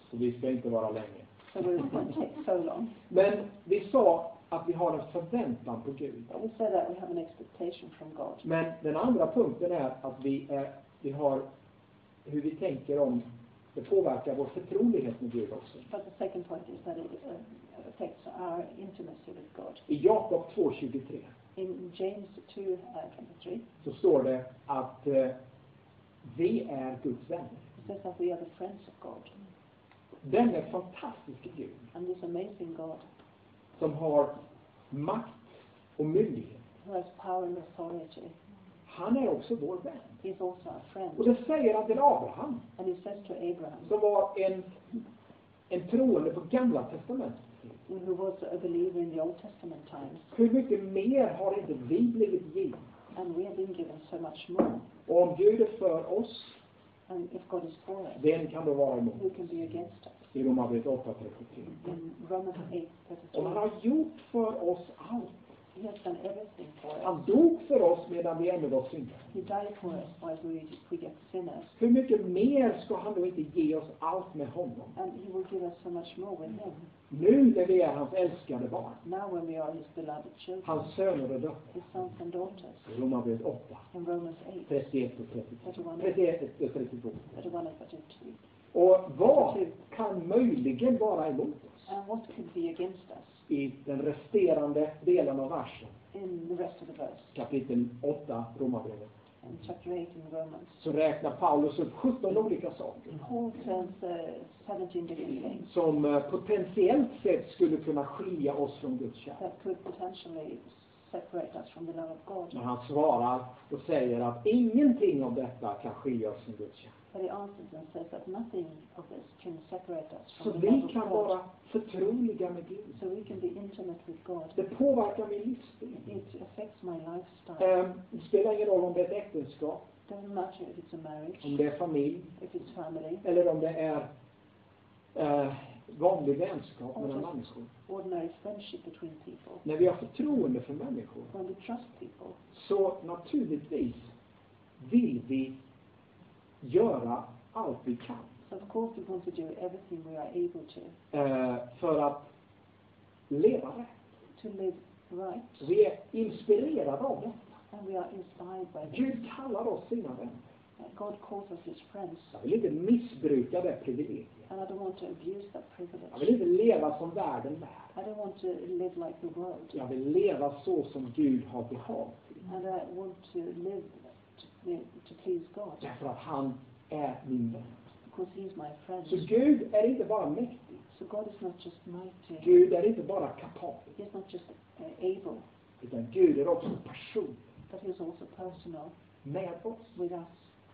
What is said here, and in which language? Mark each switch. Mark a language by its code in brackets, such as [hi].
[sv] Så vi ska inte vara länge. [en] So we won't take so long. [sv] Men vi sa att vi har en förväntan på Gud. [en] But we said that we have an expectation from God. [sv] Men den andra punkten är att vi har hur vi tänker om det påverkar vår förtrolighet med Gud också. [en] But the second point is that it affects our intimacy with God. [sv] I Jakob 2:23. [en] In James 2:23 [sv] så står det att vi är Guds vänner. [en] It says that we are the friends of God. [sv] Den är fantastisk Gud. [en] And this amazing God. [sv] Som har makt och myndighet. [en] Who has power and authority. [sv] Han är också vår vän. [en] He is also our friend. [sv] Och det säger han till Abraham. [en] And he says to Abraham. [sv] Som var en troende på gamla testamentet. [en] Who was a believer in the Old Testament times. [sv] Hur mycket mer har inte vi blivit givet? [en] And we have been given so much more. [sv] Och om Gud är för oss. [en] And if God is for us. [sv] Vem kan då vara emot? [en] Who can be against us? [sv] I Romarbrevet 8:33. [en] In Romans 8:33. [sv] Och han har gjort för oss allt. [en] He has done everything for us. [sv] Han dog för oss medan vi ännu var syndare. [en] He died for us while we get sinners. [sv] Hur mycket mer ska han då inte ge oss allt med honom? [en] And he will give us so much more with him. [sv] Nu när vi är hans älskade barn. [en] Now when we are his beloved children. [sv] Hans söner och döttrar. [en] His sons and daughters. [sv] I Romarbrevet 8. [en] In Romans 8. [sv] 31 och 32. Och vad kan möjligen vara emot oss? [en] And what could be against us? [sv] I den resterande delen av versen. [en] In the rest of the verse. [sv] Kapitel 8, Romarbrevet. [en] In chapter 8 in Romans. [sv] Så räknar Paulus upp 17 olika saker. [en] Paul turns 17 different things. [sv] Som potentiellt sett skulle kunna skilja oss från Guds kärlek. [en] That could potentially separate us from the love of God. [sv] Men han svarar och säger att ingenting av detta kan skilja oss från Guds kärlek. [en] But he answers and says that nothing of this can separate us from [sv] så [en] the love of God. [sv] Så vi kan vara förtroliga med Gud. [en] So we can be intimate with God. [sv] Det påverkar min livsstil. [en] It affects my lifestyle. [sv] Det spelar ingen roll om det är ett äktenskap. [en] Doesn't matter if it's a marriage. [sv] Om det är familj. [en] If it's family. [sv] Eller om det är vanlig vänskap mellan människor. [en] Ordinary friendship between people. [sv] När vi har förtroende för människor. [en] When we trust people. [sv] Så naturligtvis vill vi göra allt vi kan. [en] So of course we want to do everything we are able to. [sv] För att leva rätt. [en] To live right. [sv] Vi är inspirerade av detta. [en] And we are inspired by this. [sv] Gud kallar oss sina vänner. [en] God calls us his friends. [sv] Jag vill inte missbruka det privilegiet. [en] And I don't want to abuse that privilege. [sv] Jag vill inte leva som världen [en] är. I don't want to live like the world. [sv] Jag vill leva så som Gud har behagat. [en] And I want to live to please God. [sv] Därför att han är min vän. [en] Because he's my friend. [sv] Så Gud är inte bara mäktig. [en] So God is not just mighty. [sv] Gud är inte bara kapabel. [en] He's not just able. [sv] Utan Gud är också person. [en] But he's also personal. [sv] Med oss. [en] With us.